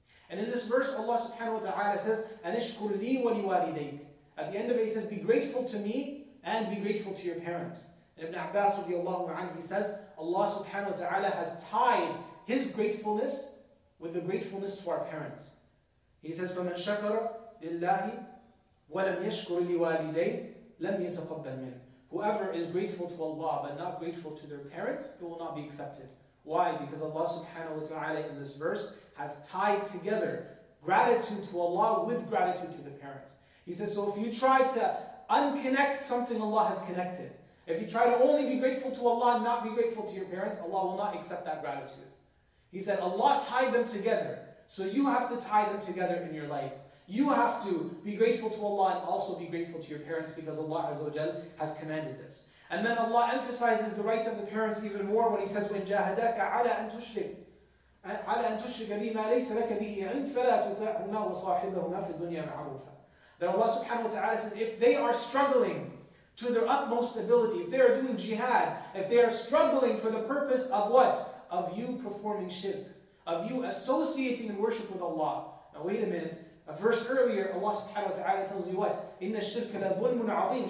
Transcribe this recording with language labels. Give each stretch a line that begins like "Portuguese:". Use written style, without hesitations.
English: And in this verse, Allah subhanahu wa ta'ala says,
Arabic: أَنِشْكُرْ لِي وَلِوَالِدَيْكَ.
English: At the end of it, he says, be grateful to me and be grateful to your parents. And Ibn Abbas radiallahu anhu, he says, Allah subhanahu wa ta'ala has tied his gratefulness with the gratefulness to our parents. He says,
Arabic: فَمَنْ شَكَرَ لِلَّهِ وَلَمْ يَشْكُرْ لِوَالِدَيْهِ لَمْ يَتَقَبَّلْ مِنْهِ.
English: Whoever is grateful to Allah but not grateful to their parents, it will not be accepted. Why? Because Allah subhanahu wa ta'ala in this verse has tied together gratitude to Allah with gratitude to the parents. He says, so if you try to unconnect something Allah has connected, if you try to only be grateful to Allah and not be grateful to your parents, Allah will not accept that gratitude. He said, Allah tied them together. So you have to tie them together in your life. You have to be grateful to Allah and also be grateful to your parents because Allah Azza wa Jal has commanded this. And then Allah emphasizes the right of the parents even more when He says,
Arabic: وَإِنْ جَاهَدَاكَ عَلَىٰ أَن تُشْرِكَ بِي مَا لَيْسَ لَكَ بِهِ عِلْمٍ فَلَا تُطِعْهُمَا وَصَاحِبَهُمَا فِي الدُّنْيَا مَعْرُوفًا.
English: That Allah subhanahu wa ta'ala says, if they are struggling to their utmost ability, if they are doing jihad, if they are struggling for the purpose of what? Of you performing shirk, of you associating in worship with Allah. Now wait a minute. A verse earlier, Allah subhanahu wa ta'ala tells you what?
Arabic: Inna shirka la dhulmun azeem.